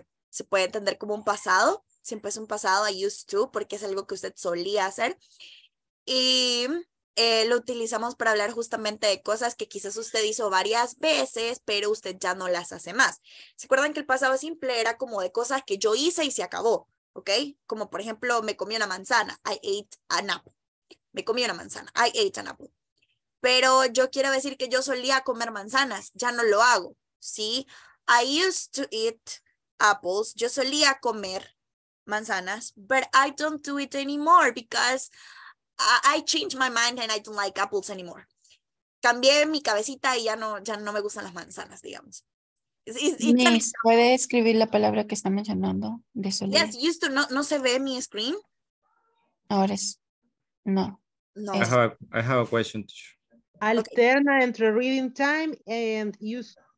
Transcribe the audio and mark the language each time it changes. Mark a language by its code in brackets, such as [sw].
[es] se puede entender como un pasado, siempre es un pasado, [en] I used to, [es] porque es algo que usted solía hacer, y lo utilizamos para hablar justamente de cosas que quizás usted hizo varias veces, pero usted ya no las hace más. ¿Se acuerdan que el pasado simple era como de cosas que yo hice y se acabó? ¿Ok? Como por ejemplo, me comí una manzana, [en] I ate an apple. [es] Me comí una manzana, I ate an apple. Pero yo quiero decir que yo solía comer manzanas, ya no lo hago, ¿sí? [en] I used to eat apples, [es] yo solía comer manzanas, [en] but I don't do it anymore because I changed my mind and I don't like apples anymore. [es] Cambié mi cabecita y ya no me gustan las manzanas, digamos. ¿Puede escribir la palabra que está mencionando de solía? [en] Yes, used to, [es] no se ve mi screen. Ahora es, no. [en] I have a question. Alterna okay. Entre reading time and use.